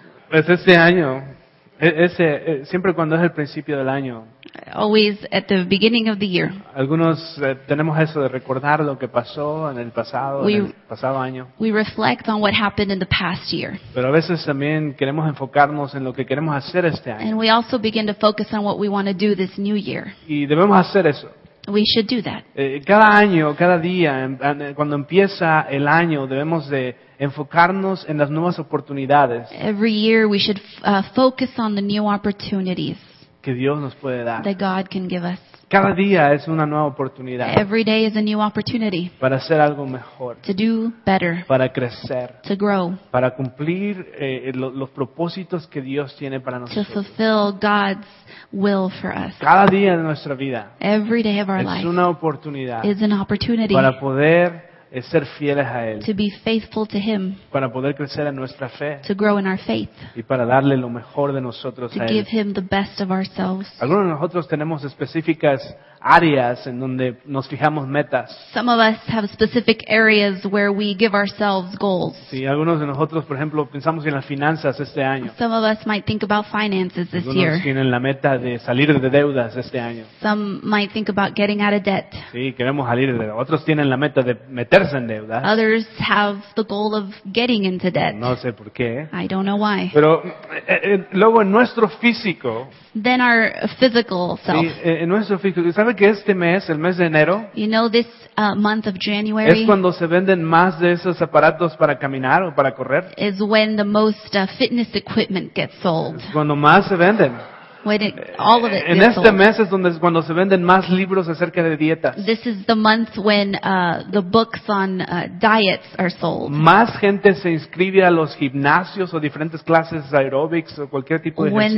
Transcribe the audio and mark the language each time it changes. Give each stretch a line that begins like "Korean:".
Spanish: Pues este año, siempre cuando es el principio del año.
English: Always at the beginning of the year.
Spanish: Algunos tenemos eso de recordar lo que pasó en el pasado, en el pasado año.
English: We reflect on what happened in the past year.
Spanish: Pero a veces también queremos enfocarnos en lo que queremos hacer este año.
English: And we also begin to focus on what we want to do this new year.
Spanish: Y debemos hacer eso.
English: We should do that.
Spanish: Cada año, cada día, cuando empieza el año, debemos de enfocarnos en las nuevas oportunidades.
English: Every year we should focus on the new opportunities
Spanish: que Dios nos puede dar.
English: That God can give us.
Spanish: Cada día es una nueva oportunidad.
English: Every day is a new opportunity.
Spanish: Para hacer algo mejor.
English: To do better.
Spanish: Para crecer.
English: To grow.
Spanish: Para cumplir los propósitos que Dios tiene para nosotros.
English: To fulfill God's will for us.
Spanish: Cada día de nuestra vida.
English: Every day of our life.
Spanish: Es una oportunidad.
English: Is an opportunity.
Spanish: Para poder ser fieles a Él.
English: To be faithful to Him.
Spanish: Para poder crecer en nuestra fe.
English: To grow in our faith.
Spanish: Y para darle lo mejor de nosotros a Él.
English: To give Him the best of ourselves.
Spanish: Algunos de nosotros tenemos específicas áreas en donde nos fijamos metas.
English: Some of us have specific areas where we give ourselves goals.
Spanish: Sí, algunos de nosotros, por ejemplo, pensamos en las finanzas este año.
English: Some of us might think about finances this year.
Spanish: Algunos tienen la meta de salir de deudas este año.
English: Some might think about getting out of debt.
Spanish: Sí, queremos salir de deudas. Otros tienen la meta de meterse en deudas.
English: Others have the goal of getting into debt.
Spanish: No sé por qué.
English: I don't know why.
Spanish: Pero luego en nuestro físico.
English: Then our physical self.
Spanish: Sí, en nuestro físico. ¿Sabe que este mes, el mes de enero,
English: you know, this, month of January,
Spanish: es cuando se venden más de esos aparatos para caminar o para correr?
English: Is when the most, fitness equipment gets sold.
Spanish: Es cuando más se venden.
English: When it, all of it
Spanish: en este mes es donde cuando se venden más libros acerca de dietas.
English: This is the month when the books on diets are sold.
Spanish: Más gente se inscribe a los gimnasios o diferentes clases aerobics o cualquier tipo de ejercicio.